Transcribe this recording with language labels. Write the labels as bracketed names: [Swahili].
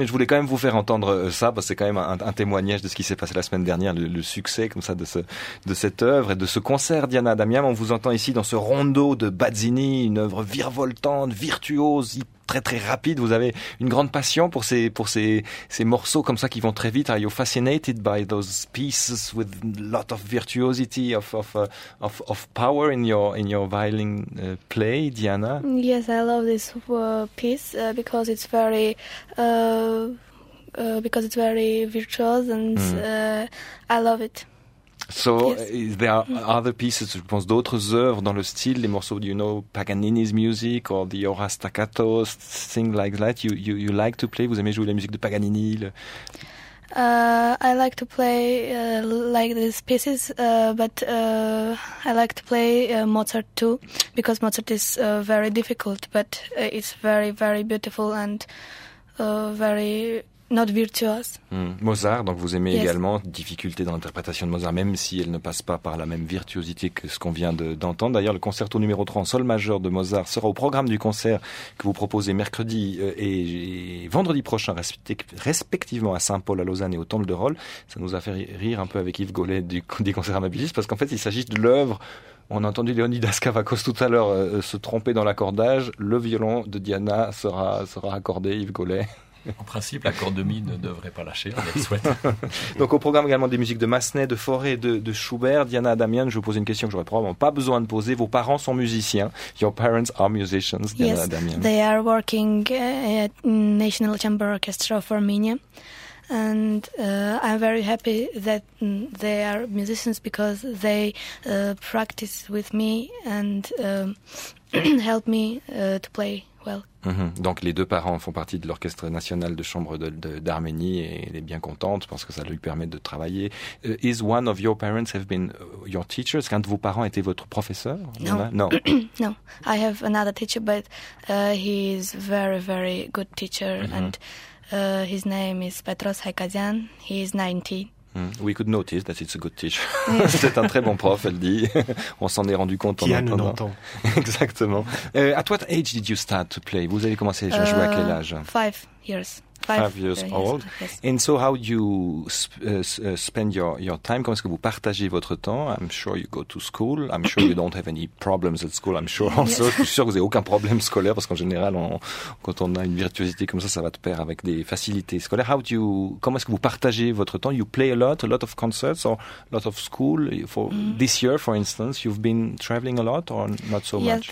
[French] Mais je voulais quand même vous faire entendre ça parce que c'est quand même un témoignage de ce qui s'est passé la semaine dernière, le succès comme ça de cette œuvre et de ce concert. Diana Adamian, on vous entend ici dans ce rondo de Bazzini, une œuvre virevoltante, virtuose, très très rapide. Vous avez une grande passion pour ces morceaux comme ça qui vont très vite. [English] Are you fascinated by those pieces with a lot of virtuosity of power in your violin play, Diana? Yes, I love this piece because it's very virtuose and I love it. So yes. There are other pieces, [French] je pense d'autres œuvres dans le style, les morceaux, [English] you know, Paganini's music or the Ora Staccato, things like that. You like to play? [French] Vous aimez jouer la musique de Paganini? [English] I like to play like these pieces, but I like to play Mozart too, because Mozart is very difficult, but it's very very beautiful and very. Not virtuose. [French] Mozart, donc vous aimez, yes, également difficulté dans l'interprétation de Mozart, même si elle ne passe pas par la même virtuosité que ce qu'on vient d'entendre. D'ailleurs, le concerto numéro 3 en sol majeur de Mozart sera au programme du concert que vous proposez mercredi et vendredi prochain, respectivement à Saint-Paul, à Lausanne et au Temple de Rolle. Ça nous a fait rire un peu avec Yves Gollet du concert Amabilis, parce qu'en fait, il s'agit de l'œuvre. On a entendu Leonidas Kavakos tout à l'heure se tromper dans l'accordage. Le violon de Diana sera accordé, Yves Gollet. En principe, la corde mi ne devrait pas lâcher, on le souhaite. Donc au programme également des musiques de Massenet, de Fauré, de Schubert. Diana Adamian, je vous pose une question que je n'aurais probablement pas besoin de poser. Vos parents sont musiciens. [English] Your parents are musicians, Diana, yes, Adamian. Yes, they are working at National Chamber Orchestra of Armenia. And I'm very happy that they are musicians because they practice with me and help me to play. Well. [French] Donc les deux parents font partie de l'Orchestre National de Chambre d'Arménie et elle est bien contente parce que ça lui permet de travailler. [English] Is one of your parents have been your teacher? [French] Est-ce qu'un de vos parents était votre professeur? [English] Non. No, I have another teacher, but he is very, very good teacher. Mm-hmm. And his name is Petros Haikazian. He is 19. We could notice that it's a good teacher. [French] C'est un très bon prof, elle dit. On s'en est rendu compte qui en attendant. Qui a 90 ans. Exactement. [English] At what age did you start to play? [French] Vous avez commencé à jouer à quel âge? [English] 5 years old. Yes. And so how do you spend your time? [French] Comment est-ce que vous partagez votre temps? [English] I'm sure you go to school. I'm sure you don't have any problems at school. I'm sure also. [French] Yes. Je suis sûr que vous n'avez aucun problème scolaire parce qu'en général, quand on a une virtuosité comme ça, ça va de pair avec des facilités scolaires. Comment est-ce que vous partagez votre temps? [English] You play a lot of concerts or a lot of school. For this year, for instance, you've been traveling a lot or not so much?